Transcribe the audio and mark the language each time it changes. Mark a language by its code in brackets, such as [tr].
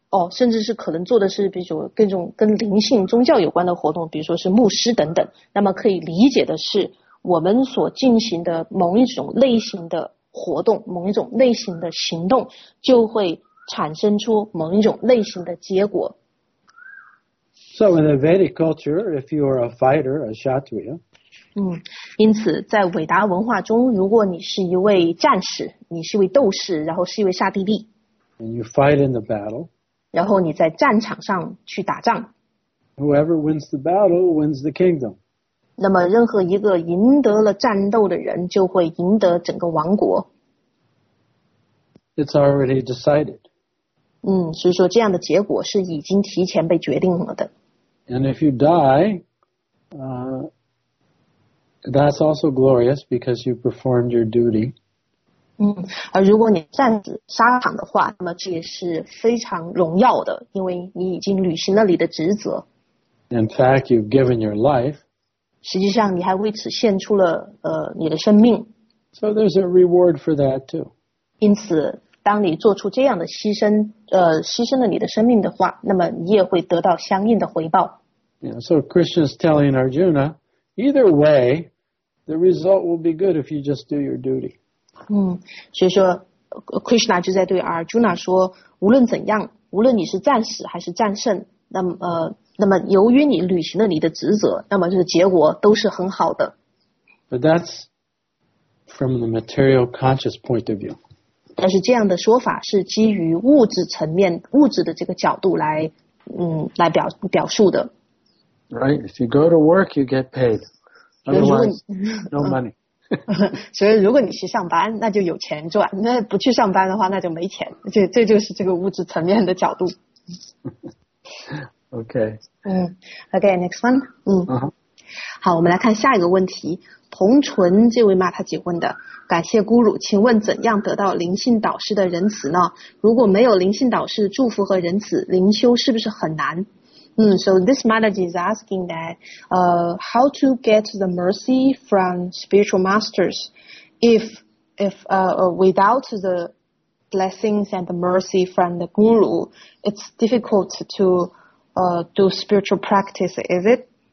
[zh] 甚至是可能做的是比如说跟灵性宗教有关的活动，比如说是牧师等等，那么可以理解的是我们所进行的某一种类型的活动，某一种类型的行动，就会产生出某一种类型的结果。 [en] So in the Vedic culture, if you are a fighter, a kshatriya, [zh] 因此在伟达文化中，如果你是一位战士，你是一位斗士，然后是一位刹帝利， [en] and you fight in the battle, [zh] 然后你在战场上去打仗， [en] whoever wins the battle wins the kingdom, [zh] 那么任何一个赢得了战斗的人就会赢得整个王国。 [en] It's already decided. [zh] 所以说这样的结果是已经提前被决定了的。 [en] And if you die, that's also glorious because you performed your duty. [zh] 而如果你战死沙场的话，那么这也是非常荣耀的，因为你已经履行了你的职责。 [en] In fact, you've given your life. [zh] 实际上，你还为此献出了你的生命。 [en] So there's a reward for that too. [zh] 因此，当你做出这样的牺牲，牺牲了你的生命的话，那么你也会得到相应的回报。 [en] Yeah, so Krishna's telling Arjuna, either way, the result will be good if you just do your duty. [zh] 所以说 Krishna 就在对 Arjuna 说，无论怎样，无论你是战死还是战胜，那么由于你履行了你的职责，那么这个结果都是很好的。 [en] But that's from the material conscious point of view. [zh] 但是这样的说法是基于物质层面，物质的这个角度来来表述的。 [en] Right, if you go to work you get paid. Otherwise, no money. [zh] 所以如果你去上班那就有钱赚，那不去上班的话那就没钱，这就是这个物质层面的角度。 [en] Okay, next one. [zh] 好，我们来看下一个问题。同纯这位玛塔姐问的，感谢咕噜，请问怎样得到灵性导师的仁慈呢？如果没有灵性导师祝福和仁慈，灵修是不是很难？ [en] So this Mataji is asking that, how to get the mercy from spiritual masters if without the blessings and the mercy from the guru, it's difficult to, do spiritual practice, is it?